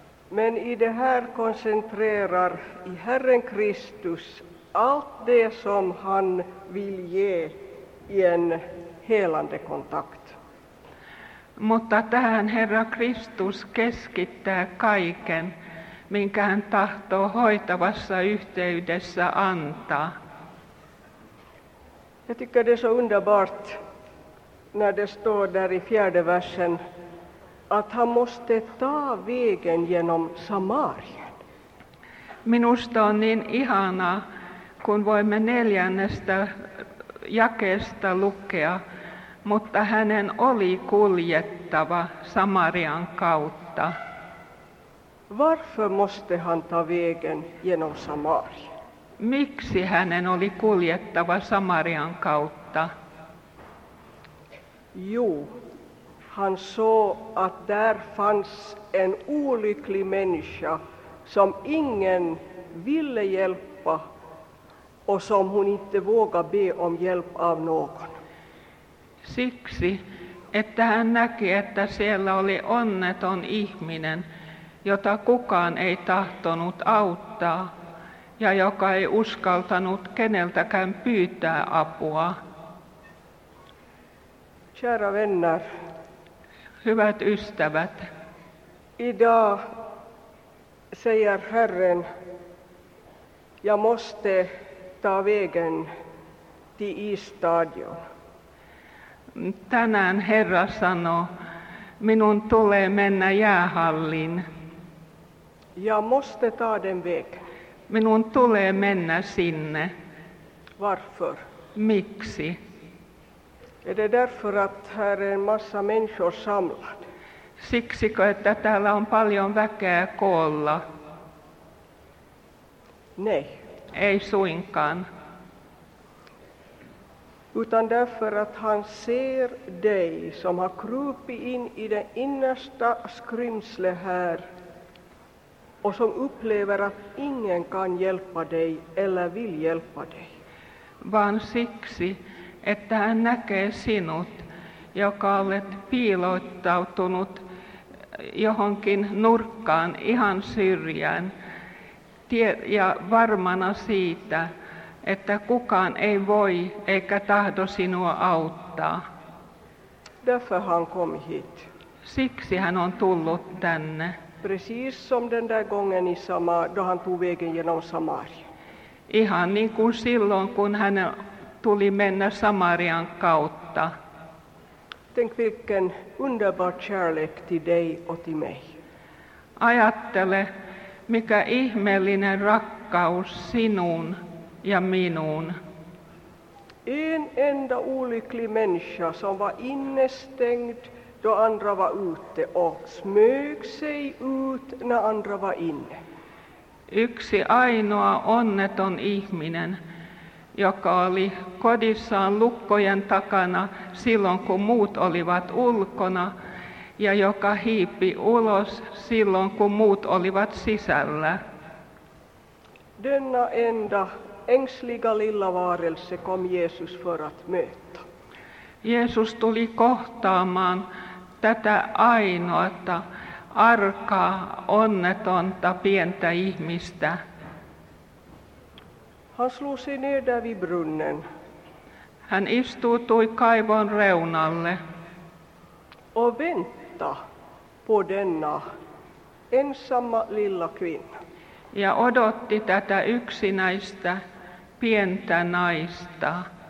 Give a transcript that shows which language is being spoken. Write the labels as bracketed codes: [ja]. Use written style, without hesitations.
[sv] Men i det här koncentrerar i Herren Kristus allt det som han vill ge i en helande kontakt. [fi] Mutta tähän Herra Kristus keskittää kaiken, minkä hän tahtoo hoitavassa yhteydessä antaa. [sv] Jag tycker det är så underbart. När det står där i 4:e versen att han måste ta vägen genom Samarien. [fi] Minusta on niin ihanaa, kun voimme 4:jakeesta lukea, mutta hänen oli kuljettava Samarian kautta. [sv] Varför måste han ta vägen genom Samarien? [fi] Miksi hänen oli kuljettava Samarian kautta? [sv] Jo, han såg att där fanns en olycklig människa som ingen ville hjälpa och som hon inte vågade be om hjälp av någon. [fi] Siksi, että hän näki, että siellä oli onneton ihminen, jota kukaan ei tahtonut auttaa ja joka ei uskaltanut keneltäkään pyytää apua. [sv] Kära vänner, [fi] hyvät ystävät, [sv] idag säger Herren, jag måste ta vägen till Isstadion. [fi] Tänään Herra sanoo, minun tulee mennä jäähallin. [sv] Jag måste ta den vägen. [fi] Minun tulee mennä sinne. [sv] Varför? [fi] Miksi? [sv] Är det därför att här är en massa människor samlad? [fi] Siksikö, että täällä on paljon väkeä koolla? [sv] Nej. [fi] Ei suinkaan. [sv] Utan därför att han ser dig som har krupit in i det innersta skrymsle här och som upplever att ingen kan hjälpa dig eller vill hjälpa dig. [fi] Vaan siksi, että hän näkee sinut, joka olet piilottautunut johonkin nurkkaan, ihan syrjään, ja varmana siitä, että kukaan ei voi eikä tahdo sinua auttaa. [sv] Därför han kom hit. [fi] Siksi hän on tullut tänne. [sv] Precis som den där gången i Samarien, då han tog vägen genom Samarien. [fi] Ihan niin kuin silloin, kun hän tuli mennä Samarian kautta. [sv] Tänk vilken underbar kärlek till dig och till mig. [fi] Ajattele, mikä ihmeellinen rakkaus sinun ja minun. [sv] En enda olycklig människa som var innestängd då andra var ute och smög sig ut när andra var inne. [fi] Yksi ainoa onneton ihminen, joka oli kodissaan lukkojen takana silloin, kun muut olivat ulkona, ja joka hiipi ulos silloin, kun muut olivat sisällä. [sv] Denna enda ängsliga lilla varelse kom Jesus för att möta. [fi] Jeesus tuli kohtaamaan tätä ainoata, arkaa, onnetonta, pientä ihmistä. [sv] Han slog sig ner där vid brunnen. [fi] Hän istuutui kaivon reunalle. [sv] Och vänta på denna ensamma lilla kvinna. [fi] Ja odotti tätä yksinäistä pientä naista.